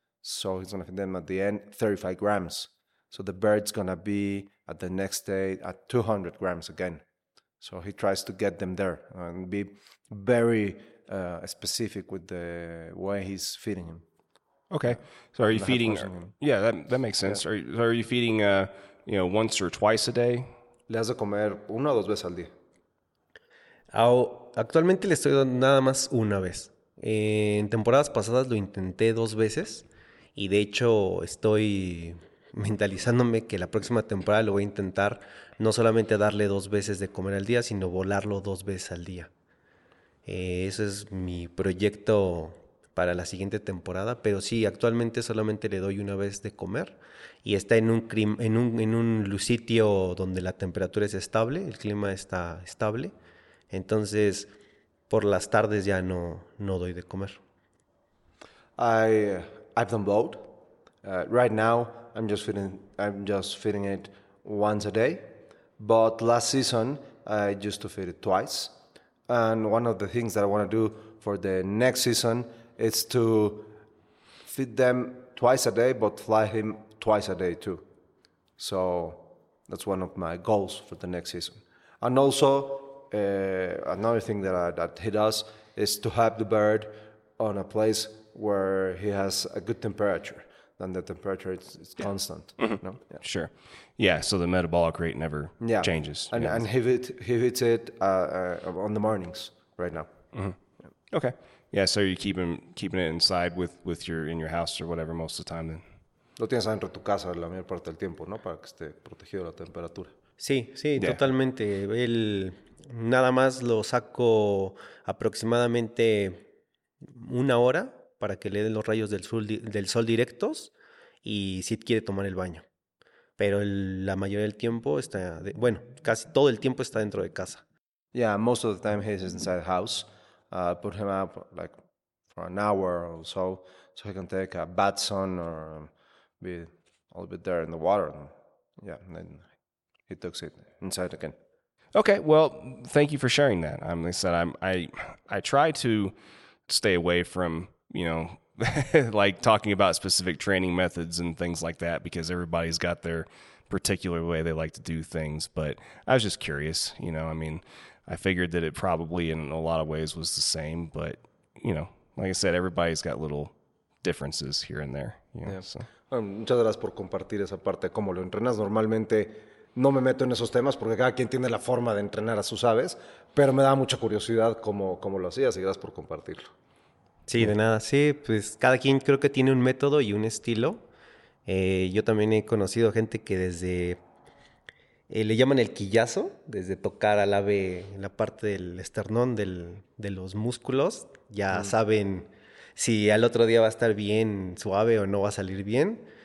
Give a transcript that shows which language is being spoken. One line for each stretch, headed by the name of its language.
English: So he's gonna feed them at the end 35 grams. So the bird's gonna be at the next day at 200 grams again. So he tries to get them there and be very specific with the way he's feeding him. Okay. So are you The head feeding, coaching him. yeah, that makes sense. Are you feeding once or twice a day?
Spanish: Le has de comer una o dos veces al día. Actualmente le estoy dando nada más una vez. En temporadas pasadas lo intenté dos veces y de hecho estoy mentalizándome que la próxima temporada lo voy a intentar no solamente darle dos veces de comer al día, sino volarlo dos veces al día. Ese es mi proyecto para la siguiente temporada, pero sí, actualmente solamente le doy una vez de comer y está en un sitio donde la temperatura es estable, el clima está estable. Entonces, por las tardes ya no doy de comer.
English: I've done both. Right now, I'm just feeding it once a day. But last season, I used to feed it twice. And one of the things that I want to do for the next season is to feed them twice a day, but fly him twice a day too. So that's one of my goals for the next season. And also, another thing that he does is to have the bird on a place where he has a good temperature, then the temperature is constant. No? Yeah. Sure. Yeah, so the metabolic rate never changes. And he feeds it on the mornings right now. Okay. Yeah, so you're keeping it inside with your in your house or whatever most of the time then.
Spanish: Lo tienes adentro de tu casa la mayor parte del tiempo, ¿no? Para que esté protegido de la temperatura. Sí, sí, yeah. Totalmente. El, nada más lo saco aproximadamente una hora para que le den los rayos del sol directos y si quiere tomar el baño. Pero la mayoría del tiempo está, bueno, casi todo el tiempo está dentro de casa.
English: Yeah, most of the time he's inside the house. Put him up like for an hour or so, so he can take a bath sun or be a little bit there in the water. And, yeah, and then he takes it inside again. Okay, well, thank you for sharing that. I'm, like I said, I try to stay away from, you know, like talking about specific training methods and things like that, because everybody's got their particular way they like to do things. But I was just curious, you know, I mean, I figured that it probably in a lot of ways was the same, but you know, like I said, everybody's got little differences here and there. You know, yeah. So.
Spanish: Muchas gracias por compartir esa parte. ¿Cómo lo entrenas? Normalmente no me meto en esos temas porque cada quien tiene la forma de entrenar a sus aves, pero me da mucha curiosidad cómo lo hacías y gracias por compartirlo. Sí, de nada. Sí, pues cada quien creo que tiene un método y un estilo. Yo también he conocido gente que desde, le llaman el quillazo, desde tocar al ave en la parte del esternón de los músculos, ya saben si al otro día va a estar bien su ave o no va a salir bien.